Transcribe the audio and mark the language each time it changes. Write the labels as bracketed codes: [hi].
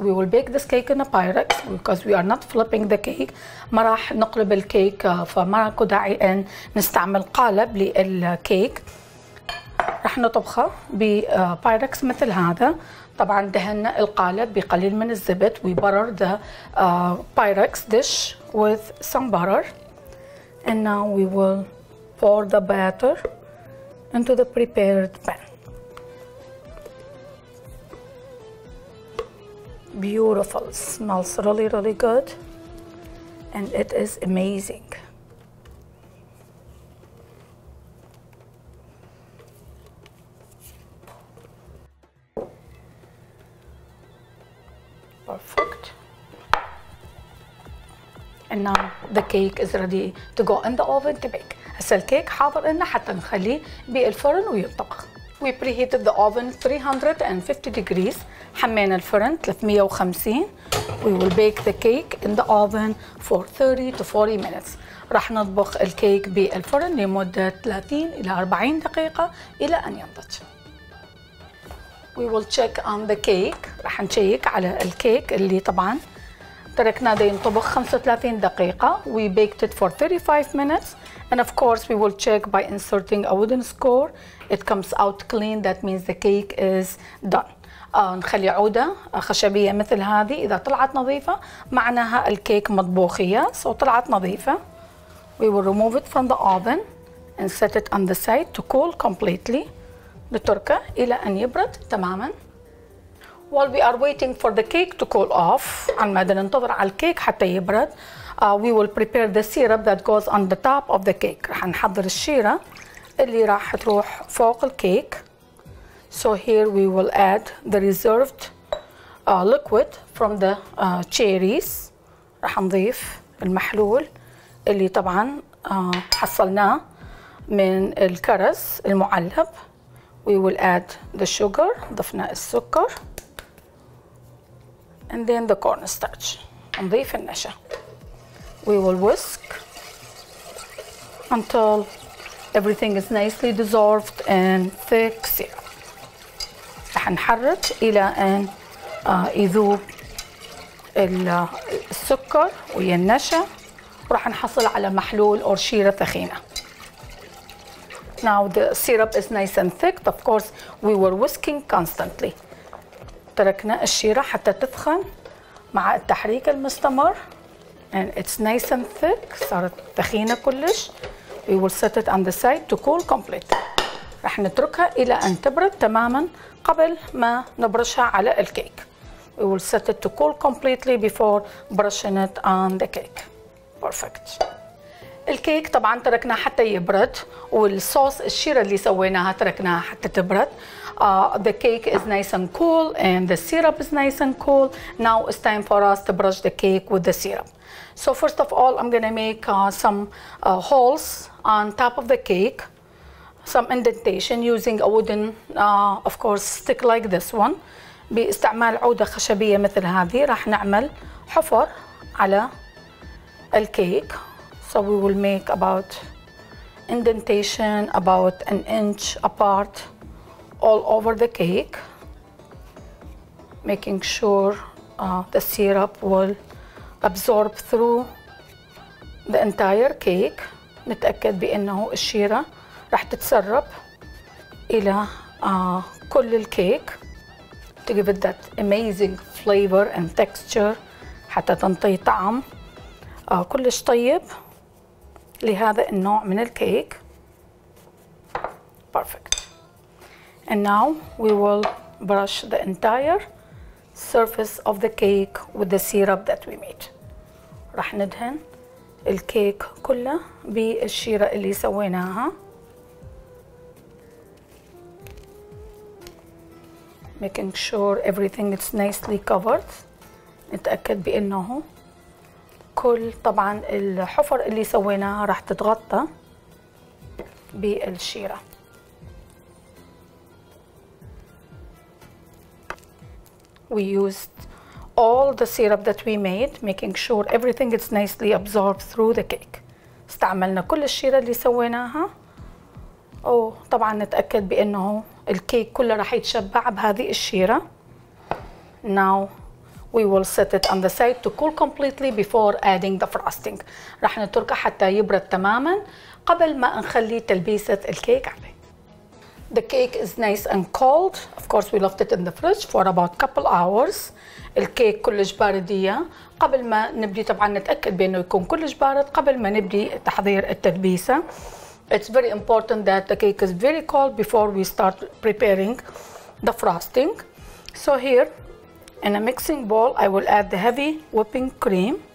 [en] We will bake this cake in a pyrex because we are not flipping the cake. [ar] ما راح نقلب الكيك فما اكو داعي ان نستعمل قالب للكيك. راح نطبخه ببايركس مثل هذا. طبعا دهنا القالب بقليل من الزبد. [en] We butter the pyrex dish with some butter. And now we will pour the batter into the prepared pan. Beautiful. Smells really, really good. And it is amazing. Perfect. And now the cake is ready to go in the oven to bake. [ar] هسه الكيك حاضر لنا حتى نخليه بالفرن ويطبخ. [en] We preheated the oven 350 degrees. [ar] حمينا الفرن 350. [en] We will bake the cake in the oven for 30 to 40 minutes. [ar] راح نطبخ الكيك بالفرن لمدة 30 إلى 40 دقيقة إلى أن ينضج. [en] We will check on the cake. [ar] راح نشيك على الكيك اللي طبعا تركنا ده ينطبخ 35 دقيقة. [en] We baked it for 35 minutes. And of course, we will check by inserting a wooden score. It comes out clean. That means the cake is done. [ar] نخلي عودة خشبية مثل هذه. إذا طلعت نظيفة معناها الكيك مطبوخية. So طلعت نظيفة. [en] We will remove it from the oven and set it on the side to cool completely. [ar] نتركه إلى أن يبرد تماما. [en] While we are waiting for the cake to cool off, [ar] عن ماذا ننتظر على الكيك حتى يبرد, [en] we will prepare the syrup that goes on the top of the cake. [ar] رح نحضر الشيرة اللي راح تروح فوق الكيك. [en] So here we will add the reserved liquid from the cherries. [ar] رح نضيف المحلول اللي طبعا حصلناه من الكرز المعلب. [en] We will add the sugar. [ar] ضفنا السكر. [en] And then the cornstarch. [ar] نضيف النشا. [en] We will whisk until everything is nicely dissolved and thick syrup. [ar] رح نحرك إلى أن يذوب السكر ويا النشا ورح نحصل على محلول أو شيرة ثخينة. [en] Now the syrup is nice and thick. Of course, we were whisking constantly. [ar] تركنا الشيرة حتى تثخن مع التحريك المستمر. [en] And it's nice and thick. [ar] صارت ثخينة كلش. [en] We will set it on the side to cool completely. [ar] رح نتركها إلى أن تبرد تماما قبل ما نبرشها على الكيك. [en] We will set it to cool completely before brushing it on the cake. Perfect. [ar] الكيك طبعا تركناه حتى يبرد, والصوص الشيرة اللي سويناها تركناها حتى تبرد. [en] The cake is nice and cool and the syrup is nice and cool. Now it's time for us to brush the cake with the syrup. So first of all, I'm gonna make some holes on top of the cake, some indentation using a wooden of course stick like this one. [ar] باستعمال عودة خشبية مثل هذه راح نعمل حفر على الكيك. [en] So we will make about indentation about an inch apart all over the cake, making sure the syrup will absorb through the entire cake. [ar] نتأكد بأنه الشيرة راح تتسرب إلى كل الكيك [en] to give it that amazing flavor and texture, [ar] حتى تنطي طعم كلش طيب لهذا النوع من الكيك. [en] Perfect. And now we will brush the entire surface of the cake with the syrup that we made. [ar] راح ندهن الكيك كله بالشيرة اللي سويناها. [en] Making sure everything is nicely covered. [ar] نتأكد بأنه كل طبعا الحفر اللي سويناها راح تتغطى بالشيرة. [en] We used all the syrup that we made, making sure everything is nicely absorbed through the cake. [ar] استعملنا كل الشيرة اللي سويناها. طبعا نتأكد بأنه الكيك كله راح يتشبع بهذه الشيرة. [en] Now we will set it on the side to cool completely before adding the frosting. [ar] راح نتركه حتى يبرد تماما قبل ما نخلي تلبيسة الكيك عليه. [en] The cake is nice and cold. Of course, we left it in the fridge for about couple hours. [ar] الكيك كلش باردية قبل ما نبدي, طبعا نتأكد بأنه يكون كلش بارد قبل ما نبدي تحضير التلبيسة. [en] It's very important that the cake is very cold before we start preparing the frosting. So here in a mixing bowl, I will add the heavy whipping cream.